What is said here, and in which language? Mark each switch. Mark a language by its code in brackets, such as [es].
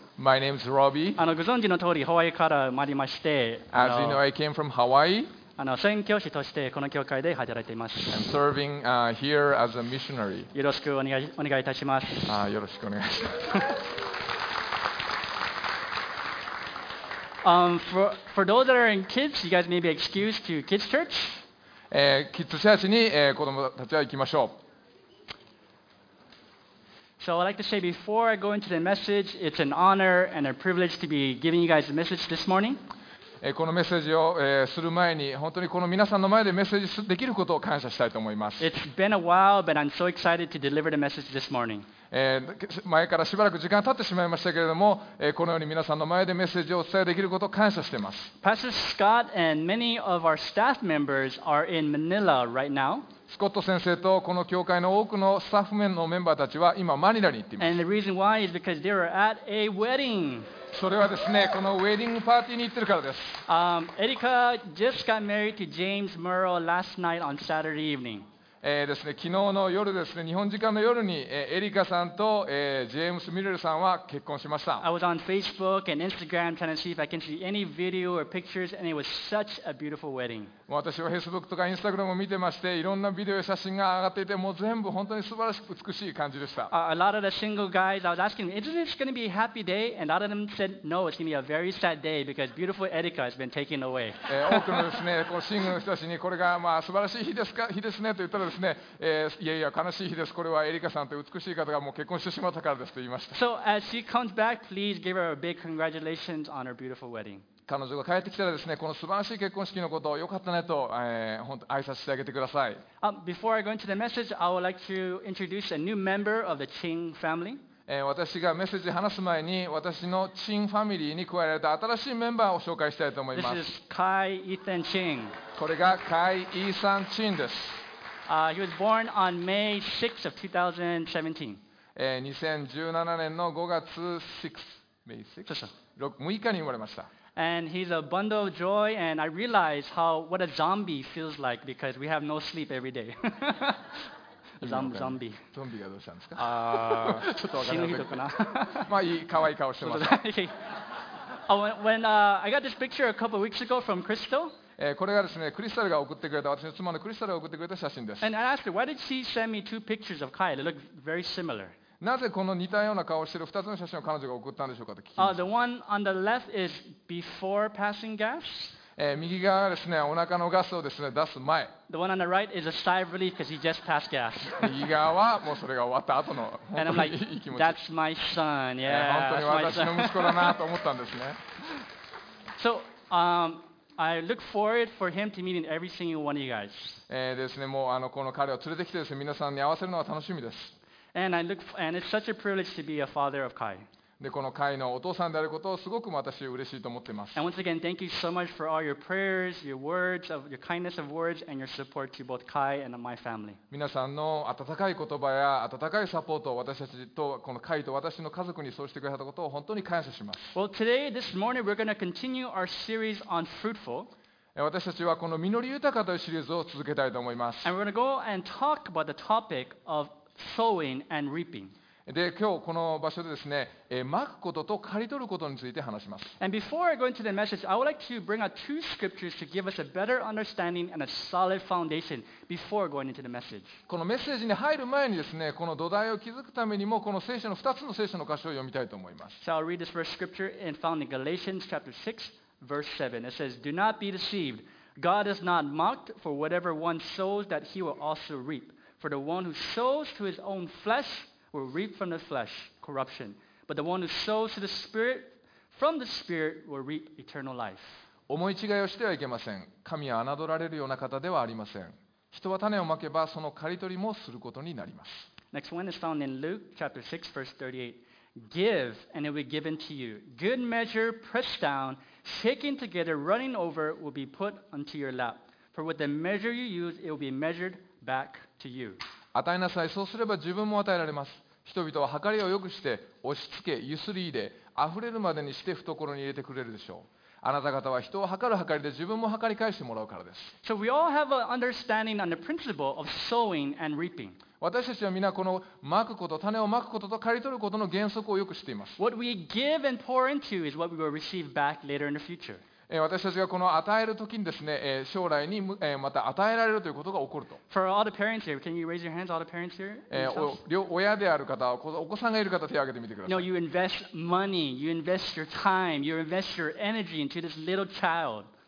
[en] My name is Robbie. [ja] ご存知の通り、ハワイから生まれまして、 [en] As you know, I came from Hawaii. [ja] 宣教師としてこの教会で働いています。 [en] I'm serving, here as a missionary. [ja] よろしくお願いいたします。よろしくお願いします。 [en] for those that are in kids, you guys maybe excuse to kids church. [ja] キッズ church に、子供たちは行きましょう。 [en] So I'd like to say before I go into the message, it's an honor and a privilege to be giving you guys a message this morning. [ja] このメッセージをする前に本当にこの皆さんの前でメッセージできることを感謝したいと思います。 [en] It's been a while, but I'm so excited to deliver the message this morning. [ja] 前からしばらく時間が経ってしまいましたけれども、このように皆さんの前でメッセージをお伝えできることを感謝しています。 [en] Pastor Scott and many of our staff members are in Manila right now. [ja] スコット先生とこの教会の多くのスタッフ面のメンバーたちは今マニラに行っています。 [en] And the reason why is because they are at a wedding. [ja] それはですね、このウェディングパーティーに行ってるからです。 [en] Erica just got married to James Murrow last night on Saturday evening. [ja] ですね、昨日の夜ですね、日本時間の夜に、エリカさんと、ジェームス・ミルルさんは結婚しました。 [en] I was on Facebook and Instagram trying to see if I can see any video or pictures, and it was such a beautiful wedding. [ja] 私は Facebook とか Instagram を見てまして、いろんなビデオや写真が上がっていて、もう全部本当に素晴らしく美しい感じでした。 [en] A lot of the single guys, I was asking them, isn't this going to be a happy day? And a lot of them said, no, it's going to be a very sad day because beautiful Erica has been taken away. [ja] 多くのですね、このシングルの人たちにこれがまあ素晴らしい日ですか、日ですねと言ったらですね、いやいや悲しい日です。これはエリカさんと美しい方がもう結婚してしまったからですと言いました。 [en] So as she comes back, please give her a big congratulations on her beautiful wedding. [ja] 彼女が帰ってきたらですね、この素晴らしい結婚式のことをよかったねと、本当挨拶してあげてください。 [en] Before I go into the message, I would like to introduce a new member of the Ching family. [ja] 私がメッセージ話す前に、私のチンファミリーに加えられた新しいメンバーを紹介したいと思います。 [en] This is Kai Ethan Ching. [ja] これがカイ・イーサン・チンです。 [en] He was born on May 6th of 2017. [ja] 2017年の5月 6日に生まれました。 [en] And he's a bundle of joy, and I realize how what a zombie feels like because we have no sleep every day. zombie. [ja] ゾンビがどうしたんですか？ちょっとわからない。死ぬ人かな。まあいい可愛い顔してます。 [en] when I got this picture a couple of weeks ago from Crystal. [ja] これがですね、クリスタルが送ってくれた私の妻のクリスタルが送ってくれた写真です。 [en] And I asked her, why did she send me two pictures of Kai? They look very similar. [ja] なぜこの似たような顔をしている2つの写真を彼女が送ったんでしょうかと聞きました。 [en] The one on the left is before passing gas. [ja] 右側はですね、お腹のガスをですね、出す前。 [en] The one on the right is a sigh of relief because he just passed gas. [ja] 右側はもうそれが終わった後の本当にいい気持ち。 [en] And I'm like, that's my son. Yeah, [ja] 本当に私の息子だなと思ったんですね。 [en] So, I look forward for him to meeting every single one of you guys. [ja] ですね、もうこの彼を連れてきてですね、皆さんに会わせるのは楽しみです。 [en] And it's such a privilege to be a father of Kai. [ja] で、このカイのお父さんであることをすごく私嬉しいと思っています。 [en] And once again, thank you so much for all your prayers, your words, of your kindness of words, and your support to both Kai and my family. [ja] 皆さんの温かい言葉や温かいサポートを私たちとこのカイと私の家族にそうしてくれたことを本当に感謝します。 [en] Well, today, this morning, we're going to continue our series on fruitful. [ja] 私たちはこの実り豊かというシリーズを続けたいと思います。 [en] And we're going to go and talk about the topic of Sowing and reaping. [ja] で、今日この場所でですね、まくことと刈り取ることについて話します。 [en] And before I go into the message, I would like to bring out two scriptures to give us a better understanding and a solid foundation before going into the message. [ja] このメッセージに入る前にですね、この土台を築くためにも、この聖書の2つの聖書の箇所を読みたいと思います。 [en] So I'll read this first scripture and found in Galatians chapter 6, verse 7. It says, Do not be deceived. God is not mocked, for whatever one sows, that he will also reap. For the one who sows to his own flesh will reap from the flesh corruption. But the one who sows to the Spirit from the Spirit will reap eternal life. [ja] 思い違いをしてはいけません。神は侮られるような方ではありません。人は種をまけばその刈り取りもすることになります。 [en] Next one is found in Luke chapter 6 verse 38. Give and it will be given to you. Good measure pressed down, shaken together, running over will be put onto your lap. For with the measure you use, it will be measured back.To you. [ja] 与えなさい、そうすれば自分も与えられます。人々は計りをよくして押し付け、ゆすり入れ、あふれるまでにして懐に入れてくれるでしょう。あなた方は人を計る計りで自分も計り返してもらうからです。 [en] So we all have an understanding on the principle of sowing and reaping. [ja] 私たちはみんなこの蒔くこと、種を蒔くことと刈り取ることの原則をよく知っています。 [en] What we give and pour into is what we will receive back later in the future. [ja] 私たちがこの与えるときにですね、将来にまた与えられるということが起こると。 [en] For all the parents here, can you raise your hands, all the parents here? [ja] 親である方、お子さんがいる方、手を挙げてみてください。 [en] No, you invest money, you invest your time, you invest your energy into this little child.